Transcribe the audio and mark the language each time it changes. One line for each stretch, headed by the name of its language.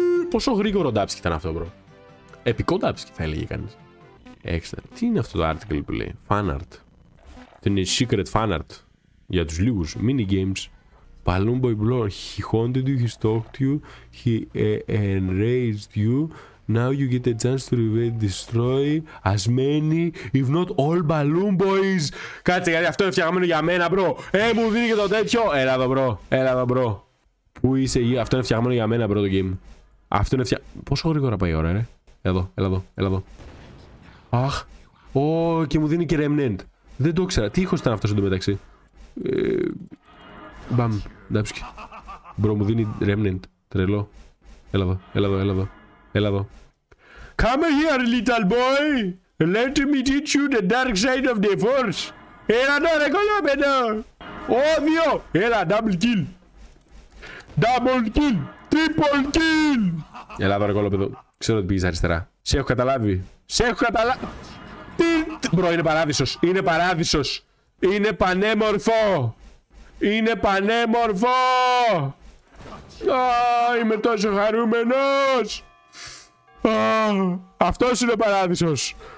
Greek: Πόσο γρήγορο Ντάψκι ήταν αυτό, μπρο. Επικό Ντάψκι θα έλεγε κανείς. Έξτρα. Τι είναι αυτό το article που λέει. Fan art. Την secret fan art. Για τους λίγους. Mini games.
English: Balloon Boy Blur, he haunted you, he stalked you, he enraged you, now you get a chance to revive, destroy as many, if not all Balloon Boys.
Greek: Κάτσε, γιατί αυτό είναι φτιαγμένο για μένα, μπρο. Μου δίνει και το τέτοιο. Έλα εδώ, μπρο. Έλα εδώ, μπρο. Πού είσαι, γύρω. Αυτό είναι φτιαγμένο για μένα, μπρο, το game. Αυτό είναι φτιαγμένο. Πόσο γρήγορα πάει η ώρα, ρε. Εδώ, έλα εδώ, έλα εδώ. Αχ. Ω, και μου δίνει και Remnant. Δεν το ήξερα. Τι ήχος ήταν αυτός εντωμεταξύ. Μπαμ, ντάψκι. Μπρο μου δίνει Remnant. Τρελό. Έλα εδώ, έλα εδώ, έλα εδώ. Έλα εδώ.
English: Come here, little boy. Let me teach you the dark side of the force.
Greek: Έλα εδώ, ρε κολόπεδο. Όδιο. Έλα,
English: double kill. Double kill. Triple kill.
Greek: Έλα εδώ, ρε κολόπεδο. Ξέρω ότι πήγες αριστερά. Σε έχω καταλάβει. Σε έχω καταλάβει. Μπρο, είναι παράδεισος. Είναι παράδεισος. Είναι πανέμορφο. Είναι πανέμορφο! Α, είμαι τόσο χαρούμενος! Α, αυτός είναι ο παράδεισος!